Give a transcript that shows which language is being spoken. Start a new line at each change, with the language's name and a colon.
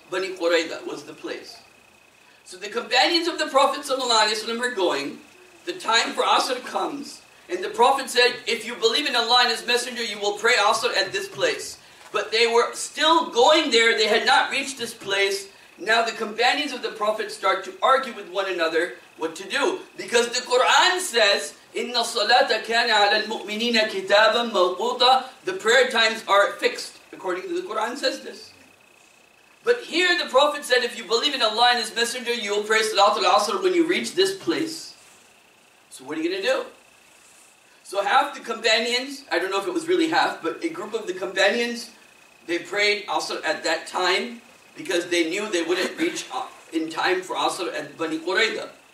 English: Bani Qurayza was the place. So the companions of the Prophet ﷺ are going, the time for Asr comes, and the Prophet said, if you believe in Allah and His Messenger, you will pray Asr at this place. But they were still going there, they had not reached this place. Now the companions of the Prophet start to argue with one another what to do. Because the Quran says,
Arabic: إِنَّ الصَّلَاةَ كَانَ عَلَى الْمُؤْمِنِينَ كِتَابًا مَوْقُوطًا.
English: The prayer times are fixed, according to the Quran says this. But here the Prophet said, if you believe in Allah and His Messenger, you will pray Salat al-Asr when you reach this place. So what are you going to do? So half the companions, I don't know if it was really half, but a group of the companions, they prayed Asr at that time because they knew they wouldn't reach in time for Asr at Bani Qurayza.